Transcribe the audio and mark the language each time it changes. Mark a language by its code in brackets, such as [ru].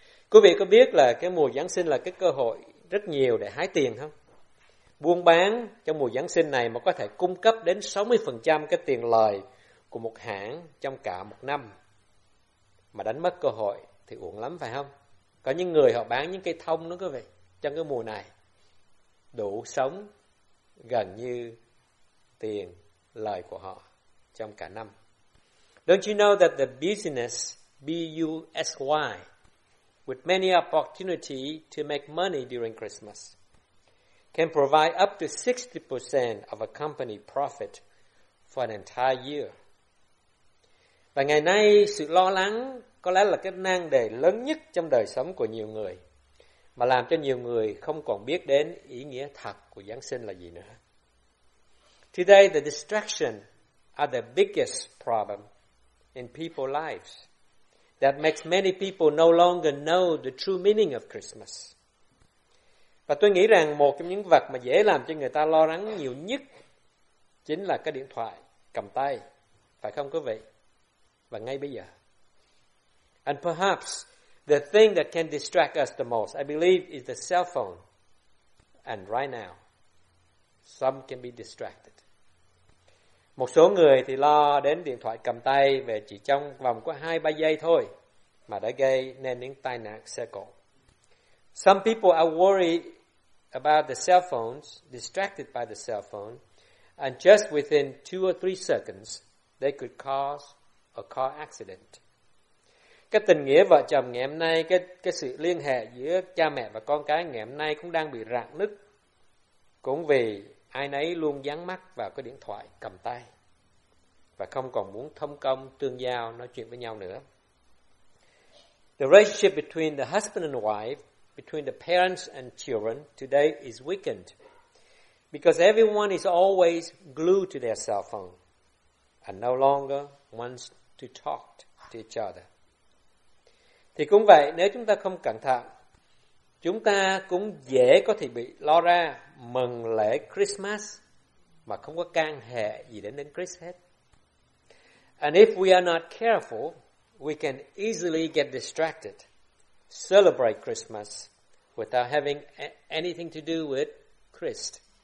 [vi] Quý vị có biết là cái mùa Giáng sinh là cái cơ hội rất nhiều để hái tiền không? Buôn bán trong mùa Giáng sinh này mà có thể cung cấp đến 60% cái tiền lời của một hãng trong cả một năm. Mà đánh mất cơ hội thì uổng lắm phải không? Có những người họ bán những cây thông đó quý vị, trong cái mùa này. Đủ sống gần như tiền lời của họ trong cả năm. [en] Don't you know that the business, B-U-S-Y, with many opportunities to make money during Christmas, can provide up to 60% of a company profit for an entire year? [vi] Và ngày nay, sự lo lắng có lẽ là cái nan đề lớn nhất trong đời sống của nhiều người, mà làm cho nhiều người không còn biết đến ý nghĩa thật của Giáng sinh là gì nữa. [en] Today, the distraction are the biggest problem in people's lives that makes many people no longer know the true meaning of Christmas. [vi] Và tôi nghĩ rằng một trong những vật mà dễ làm cho người ta lo lắng nhiều nhất chính là cái điện thoại cầm tay, phải không quý vị? Và ngay bây giờ. [en] And perhaps the thing that can distract us the most, I believe, is the cell phone. And right now, some can be distracted. [vi] Một số người thì lo đến điện thoại cầm tay về chỉ trong vòng có 2-3 giây thôi mà đã gây nên những tai nạn xe cộ. [en] Some people are worried about the cell phones, distracted by the cell phone, and just within 2 or 3 seconds, they could cause a car accident. [vi] Cái tình nghĩa vợ chồng ngày hôm nay, cái sự liên hệ giữa cha mẹ và con cái ngày hôm nay cũng đang bị rạn nứt, cũng vì ai nấy luôn dán mắt vào cái điện thoại cầm tay và không còn muốn thông công, tương giao, nói chuyện với nhau nữa. [en] The relationship between the husband and wife between the parents and children today is weakened because everyone is always glued to their cell phone and no longer wants to talk to each other. [vi] Thì cũng vậy, nếu chúng ta không cẩn thận, chúng ta cũng dễ có thể bị lo ra mừng lễ Christmas mà không có can hệ gì đến đến Christ hết. [en] And if we are not careful, we can easily get distracted, celebrate Christmas without having anything to do with Christ.